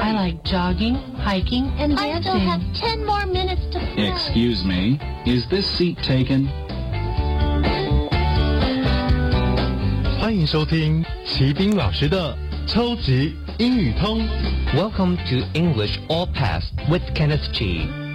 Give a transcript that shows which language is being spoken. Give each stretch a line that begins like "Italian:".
English: I like jogging, hiking, and dancing. I still have 10 more minutes to play. Excuse me, is this seat taken?
Chinese: 欢迎收听齐宾老师的超级英语通。
English: Welcome to English All Pass with Kenneth Chi.